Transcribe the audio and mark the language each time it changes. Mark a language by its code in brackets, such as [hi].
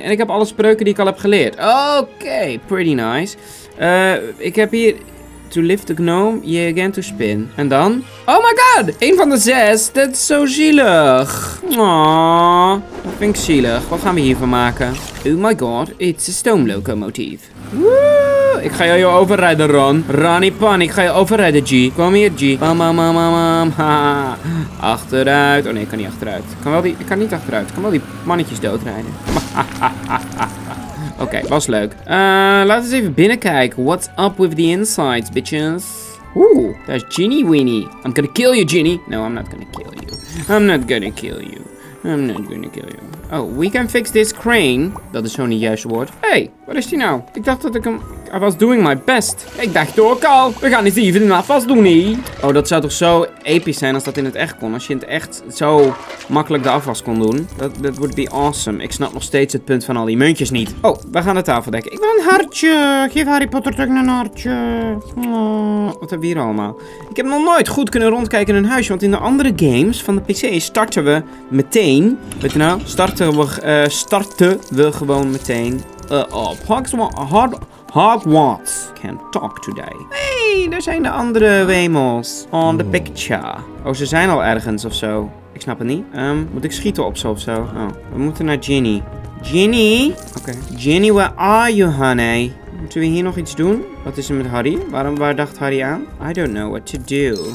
[nl] En ik heb alle spreuken die ik al heb geleerd. [en] Oké, pretty nice. [nl] Ik heb hier... [en] To lift the gnome, ye again to spin. [nl] En dan? [en] Oh my god! [nl] 1 van de 6, dat is zo zielig. Aww, dat vind ik zielig. Wat gaan we hiervan maken? [en] Oh my god, it's a [nl] stoom locomotief. Woo! Ik ga jou overrijden, Ron. Ronnie Pan, ik ga je overrijden, G. Kom hier, G. Bam, bam, bam, bam, bam. Ha. Achteruit. Oh nee, ik kan niet achteruit. Ik kan niet achteruit. Ik kan wel die mannetjes doodrijden. Oké, was leuk. Laten we eens even binnenkijken. [en] What's up with the insides, bitches? [nl] Oeh, daar is [en] Ginny Weenie. I'm gonna kill you, Ginny. No, I'm not gonna kill you. I'm not gonna kill you. I'm not gonna kill you. Oh, we can fix this crane. [nl] Dat is zo'n niet juist woord. Hey, waar is die nou? Ik dacht dat ik hem... [en] I was doing my best. [nl] Ik dacht ook al. We gaan eens even een afwas doen, hè? Oh, dat zou toch zo episch zijn als dat in het echt kon. Als je in het echt zo makkelijk de afwas kon doen. Dat [en] would be awesome. [nl] Ik snap nog steeds het punt van al die muntjes niet. Oh, we gaan de tafel dekken. Ik wil een hartje. Geef Harry Potter terug een hartje. Oh, wat hebben we hier allemaal? Ik heb nog nooit goed kunnen rondkijken in een huisje. Want in de andere games van de PC starten we meteen. Weet je nou? Starten we gewoon meteen op. [en] Hogwarts can talk today. [nl] Hey, daar zijn de andere Wemels. [en] On the picture. [nl] Oh, ze zijn al ergens of zo. Ik snap het niet. Moet ik schieten op ze of zo? Oh, we moeten naar Ginny. Ginny? Oké. Ginny, [en] where are you, honey? [nl] Moeten we hier nog iets doen? Wat is er met Harry? Waar dacht Harry aan? [en] I don't know what to do.